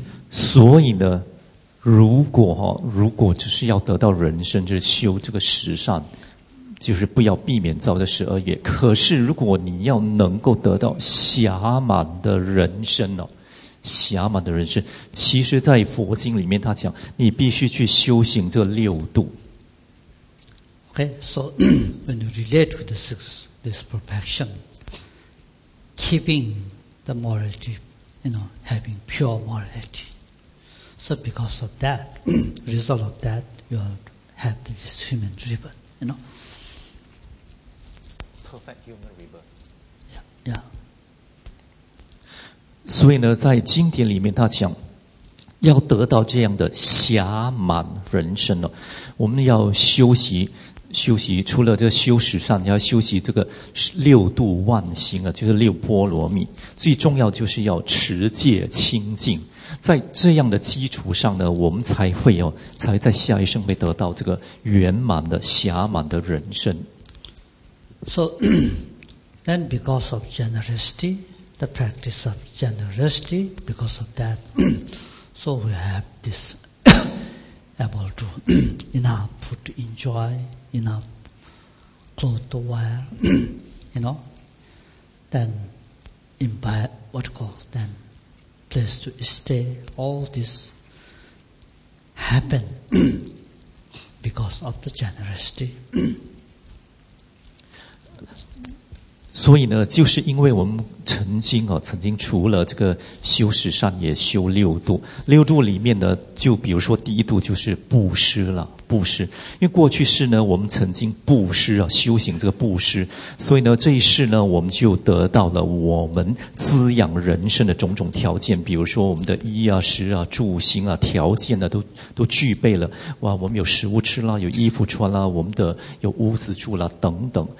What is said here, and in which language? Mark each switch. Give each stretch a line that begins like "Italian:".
Chinese: 所以呢，如果只是要得到人生，就是修这个十善，就是不要避免造的十二业。可是如果你要能够得到暇满的人生呢？暇满的人生，其实在佛经里面他讲，你必须去修行这六度。
English: Okay, so when you relate with the six, this perfection, keeping the morality, you know, having pure morality. So because of that, result of that, you have this human rebirth, you know. Perfect human rebirth. Yeah, yeah.
Chinese: 所以呢，在经典里面他讲要得到这样的暇满人生呢，我们要修习除了这个修十善，要修习这个六度万行啊，就是六波罗蜜。最重要就是要持戒清净，在这样的基础上呢，我们才会哦，才在下一生会得到这个圆满的暇满的人生。
English: So then, because of generosity, the practice of generosity, because of that, so we have this able to enough to enjoy. Enough clothes to wear, you know, then invite, what you call, then place to stay, all this happen because of the generosity.
Chinese: 所以呢，就是因为我们曾经哦，曾经除了这个修十善，也修六度。六度里面呢，就比如说第一度就是布施了，布施。因为过去世呢，我们曾经布施啊，修行这个布施，所以呢，这一世呢，我们就得到了我们滋养人生的种种条件，比如说我们的衣啊、食啊、住行啊，条件呢都具备了。哇，我们有食物吃啦，有衣服穿啦，我们的有屋子住啦等等。